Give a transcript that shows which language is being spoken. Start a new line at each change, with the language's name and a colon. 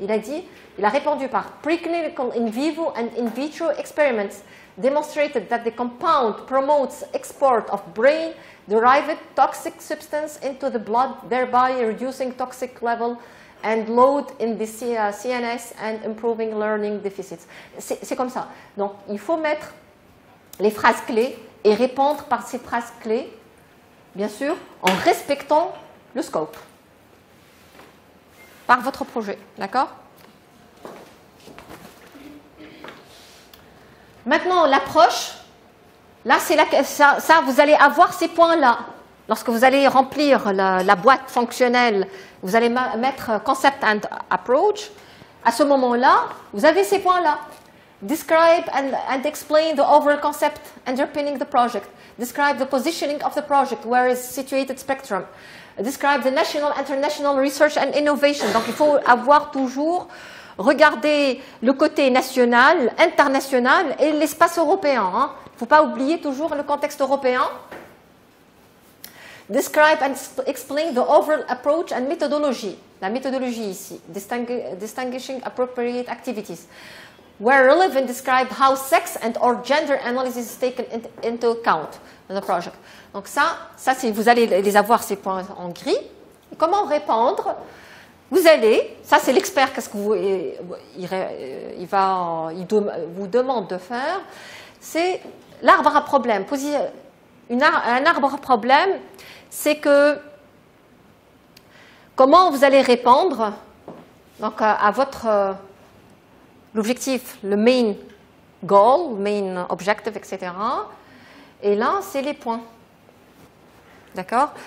French: Il a répondu par
English: preclinical in vivo and in vitro experiments demonstrated that the compound promotes export of brain-derived toxic substance into the blood, thereby reducing toxic level and load in the CNS and improving learning deficits.
French: C'est comme ça. Donc, il faut mettre les phrases clés et répondre par ces phrases clés, bien sûr, en respectant le scope. Par votre projet, d'accord ? Maintenant, l'approche. Là, c'est la, ça, ça, vous allez avoir ces points-là. Lorsque vous allez remplir la, la boîte fonctionnelle, vous allez mettre
English: concept and approach.
French: À ce moment-là, vous avez ces points-là.
English: Describe and explain the overall concept underpinning the project. Describe the positioning of the project, where is situated spectrum. Describe the national, international research and innovation.
French: Donc, il faut avoir toujours regardé le côté national, international et l'espace européen. Il ne faut pas oublier toujours le contexte européen.
English: Describe and explain the overall approach and methodology.
French: La méthodologie ici.
English: Distinguishing appropriate activities. Where relevant, describe how sex and or gender analysis is taken into account in the project.
French: Donc ça, ça c'est, vous allez les avoir ces points en gris. Et comment répondre? Vous allez, ça c'est l'expert, qu'est-ce que vous, il va, il vous demande de faire. C'est l'arbre à problème. Un arbre à problème, c'est que comment vous allez répondre donc à votre l'objectif, le
English: main goal, main objective,
French: etc. Et là, c'est les points. D'accord?